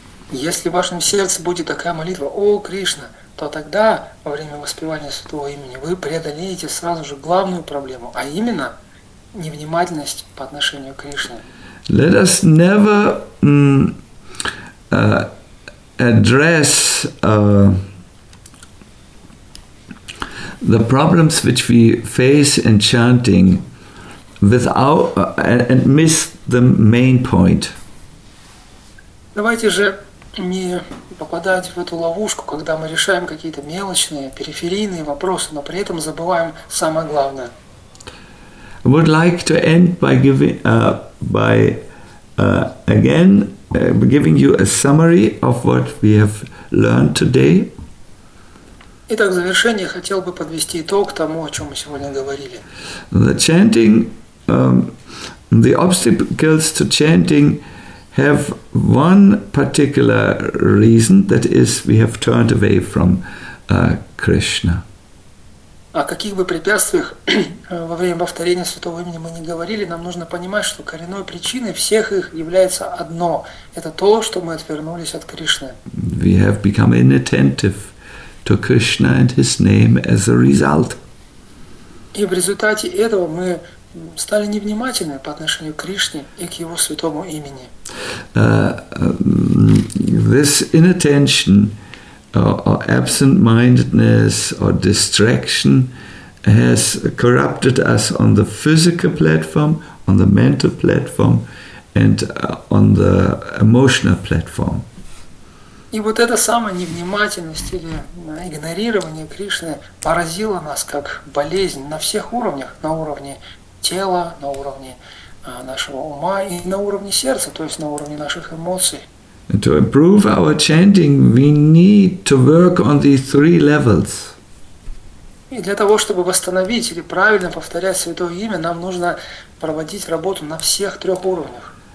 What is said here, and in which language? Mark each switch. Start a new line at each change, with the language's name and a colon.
Russian: Если в вашем сердце будет такая молитва, о Кришна, то тогда во время воспевания святого имени вы преодолеете сразу же главную проблему, а именно невнимательность по отношению к Кришне.
English: Let us never address the problems which we face in chanting without and miss the main point.
Russian: Давайте же не попадать в эту ловушку, когда мы решаем какие-то мелочные, периферийные вопросы, но при этом забываем самое главное.
English: I would like to end by giving, by again giving you a summary of what we have learned today.
Russian: Итак, в завершение хотел бы подвести итог тому, о чем мы сегодня говорили.
English: The chanting, the obstacles to chanting have one particular reason, that is, we have turned away from Krishna.
Russian: О каких бы препятствиях во время повторения святого имени мы не говорили, нам нужно понимать, что коренной причиной всех их является одно. Это то, что мы отвернулись от Кришны.
English: We have become inattentive to Krishna and His name as a result.
Russian: И в результате этого мы стали невнимательны по отношению к Кришне и к Его святому имени.
English: This inattention or absent-mindedness or distraction has corrupted us on the physical platform, on the mental platform, and on the emotional platform.
Russian: И вот эта самая невнимательность или игнорирование Кришны поразило нас как болезнь на всех уровнях, на уровне тела, на уровне нашего ума и на уровне сердца, то есть на уровне наших эмоций.
English: And to improve our chanting, we need to work on these three levels.
Russian: И для того, чтобы восстановить или правильно повторять Святое Имя, нам нужно проводить работу на всех трех уровнях.